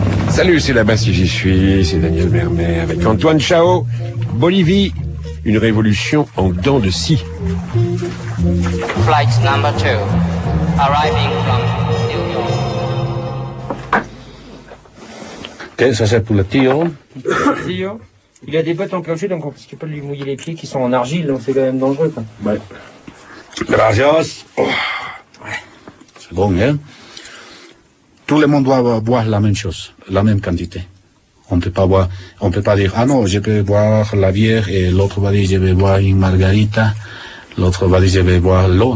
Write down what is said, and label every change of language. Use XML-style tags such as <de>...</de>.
<fr>Salut, c'est là-bas si j'y suis, c'est Daniel Mermet avec Antoine Chao. Bolivie, une révolution en dents de scie.</fr> <en>Flight number 2, arriving from New York.</en> <fr>Ok, ça c'est pour le tio. Il a des bottes en plancher, donc on ne peut pas lui mouiller les pieds qui sont en argile, donc c'est quand même dangereux. Quoi. Ouais. Gracias. Oh. Ouais. C'est bon, hein? Tout le monde doit boire la même chose, la même quantité. On ne peut pas boire, on ne peut pas dire, ah non, je peux boire la bière et l'autre va dire, je vais boire une margarita, l'autre va dire, je vais boire l'eau.</fr>